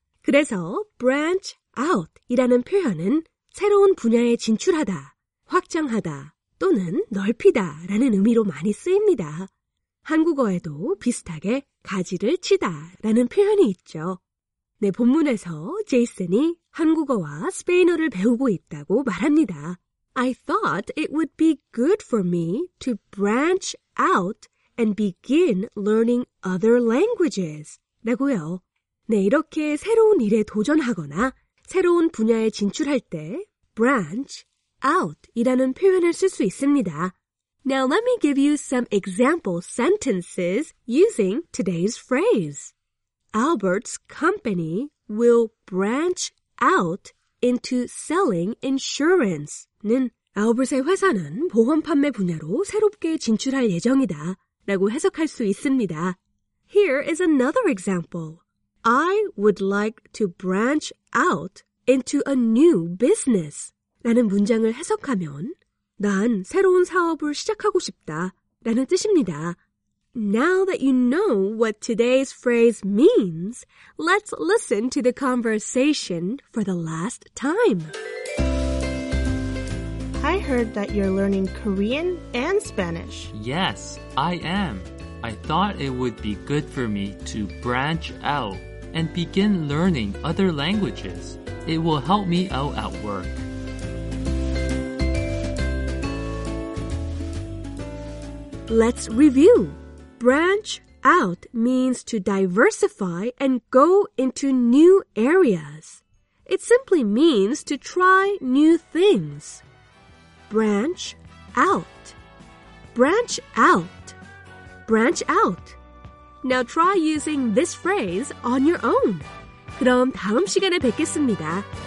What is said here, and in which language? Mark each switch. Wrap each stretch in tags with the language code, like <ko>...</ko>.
<ko>그래서 branch out이라는 표현은 새로운 분야에 진출하다, 확장하다 또는 넓히다 라는 의미로 많이 쓰입니다. 한국어에도 비슷하게 가지를 치다 라는 표현이 있죠. 네, 본문에서 제이슨이 한국어와 스페인어를 배우고 있다고 말합니다.</ko> <en>I thought it would be good for me to branch out and begin learning other languages</en> <ko>라고요. 네, 이렇게 새로운 일에 도전하거나 새로운 분야에 진출할 때 branch out 이라는 표현을 쓸 수 있습니다.</ko> <en>Now let me give you some example sentences using today's phrase. Albert's company will branch out into selling insurance.</en> <ko>는 Albert의 회사는 보험 판매 분야로 새롭게 진출할 예정이다 라고 해석할 수 있습니다.</ko> <en>Here is another example. I would like to branch out into a new business.</en> <ko>라는 문장을 해석하면 난 새로운 사업을 시작하고 싶다 라는 뜻입니다.</ko> <en>Now that you know what today's phrase means, let's listen to the conversation for the last time. I heard that you're learning Korean and Spanish. Yes, I am. I thought it would be good for me to branch out and begin learning other languages. It will help me out at work. Let's review. Branch out means to diversify and go into new areas. It simply means to try new things. Branch out. Branch out. Branch out. Now try using this phrase on your own.</en> <ko>그럼 다음 시간에 뵙겠습니다.</ko>